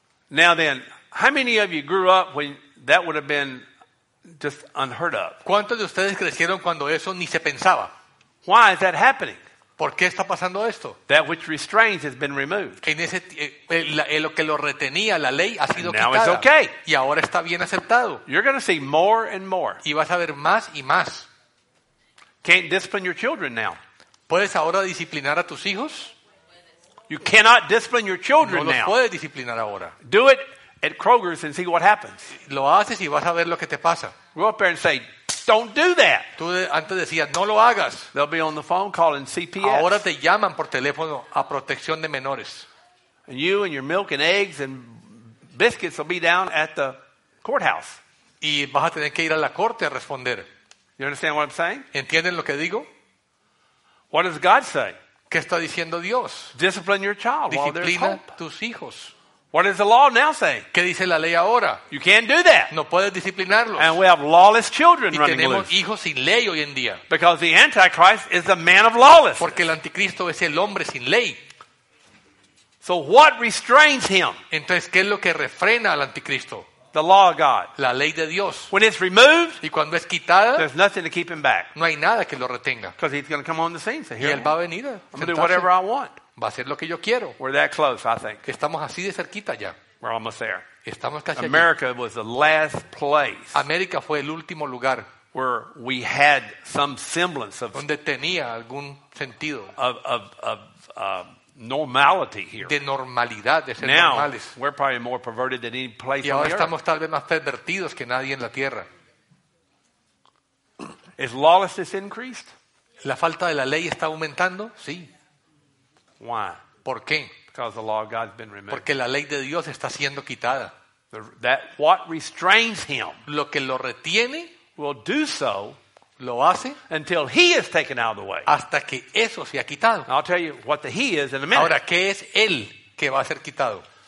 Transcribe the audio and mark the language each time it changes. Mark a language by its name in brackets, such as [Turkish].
[English] Now then, how many of you grew up when that would have been just unheard of? [Spanish] ¿Cuántos de ustedes crecieron cuando eso ni se pensaba? [English] Why is that happening? [Spanish] ¿Por qué está pasando esto? [English] That which restrains has been removed. [Spanish] En ese lo que lo retenía la ley ha sido quitada. [English] Now it's okay. [Spanish] Y ahora está bien aceptado. [English] You're going to see more and more. [Spanish] Y vas a ver más y más. [English] Can't discipline your children now. [Spanish] ¿Puedes ahora disciplinar a tus hijos? [English] You cannot discipline your children now. [Spanish] No los puedes disciplinar ahora. [English] Do it at Kroger's and see what happens. [Spanish] Lo haces y vas a ver lo que te pasa. [English] Go up there and say, don't do that. [Spanish] Tú antes decías, no lo hagas. [English] They'll be on the phone calling CPS. [Spanish] Ahora te llaman por teléfono a protección de menores. [English] And you and your milk and eggs and biscuits will be down at the courthouse. [Spanish] Y vas a tener que ir a la corte a responder. [English] You understand what I'm saying? [Spanish] ¿Entienden lo que digo? [English] What does God say? [Spanish] ¿Qué está diciendo Dios? [English] Discipline your child. [Spanish] Disciplina [English] while there's hope. [Spanish] Tus hijos. [English] What does the law now say? [Spanish] ¿Qué dice la ley ahora? [English] You can't do that. [Spanish] No puedes disciplinarlos. [English] And we have lawless children running loose. [Spanish] Y tenemos hijos sin ley hoy en día. [English] Because the Antichrist is the man of lawlessness. [Spanish] Porque el anticristo es el hombre sin ley. [English] So what restrains him? [Spanish] Entonces, ¿qué es lo que refrena al anticristo? [English] The law of God. [Spanish] La ley de Dios. [English] When it's removed, [Spanish] y cuando es quitada, [English] there's nothing to keep him back. [Spanish] No hay nada que lo retenga. [English] Because he's going to come on the scene. So [Spanish] y él va a venir. [English] I'm going to do whatever I want. [Spanish] Va a ser lo que yo quiero. [English] We're that close, I think. [Spanish] Estamos así de cerquita ya. [English] We're almost there. [Spanish] Estamos casi [English] America allí. Was the last place. [Spanish] América fue el último lugar. [English] Where we had some semblance of. [Spanish] Donde tenía algún sentido. [English] Of normality here. [Spanish] De normalidad, de ser [English] now, [Spanish] normales. [English] Now we're probably more perverted than any place on [Spanish] Y ahora estamos tal vez más pervertidos que nadie en la tierra. [English] Is lawlessness increased? [Spanish] La falta de la ley está aumentando, sí. [English] Why? [Spanish] ¿Por qué? [English] Because the law of God's been removed. [Spanish] Porque la ley de Dios está siendo quitada. [English] That what restrains him, [Spanish] lo que lo retiene, [English] will do so, [Spanish] lo hace, [English] until he is taken out of the way. [Spanish] Hasta que eso sea quitado. [English] I'll tell you what the he is in a minute. [Spanish] Ahora, ¿qué es él que va a ser quitado?